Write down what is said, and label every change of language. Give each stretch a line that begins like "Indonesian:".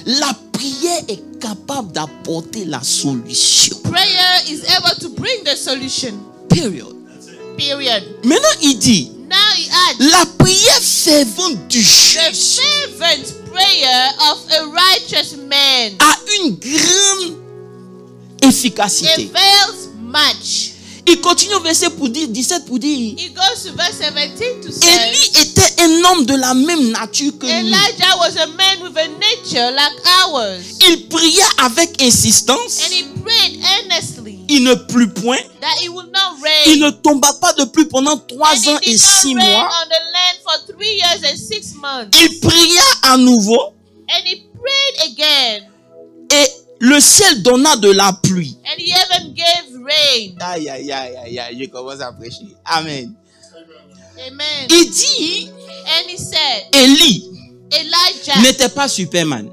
French: la prière est capable d'apporter la solution.
English: Prayer is able to bring the solution. Period. Period.
French: Maintenant, il dit,
English: now he adds,
French: la prière fervente du juste,
English: the fervent prayer of a righteous man,
French: a une grande efficacité.
English: Avails much.
French: Il continue au verset pour dire, 17 pour dire,
English: he goes to verse 17 to say,
French: Élie était un homme de la même nature que
English: Elijah
French: nous.
English: Elijah was a man with a nature like ours.
French: Il pria avec insistance.
English: And he prayed earnestly.
French: Il ne plut point.
English: That he would not rain.
French: Il ne tomba pas de pluie pendant 3 ans et 6 mois.
English: And he did not rain on the land for 3 years and 6 months.
French: Il pria à nouveau.
English: And he prayed again.
French: Et le ciel donna de la pluie.
English: And he even gave rain.
French: Aïe, aïe, aïe, aïe, aïe, je commence à prêcher.
English: Amen. Amen.
French: Il dit,
English: and he said,
French: Élie,
English: Elijah,
French: n'était pas Superman.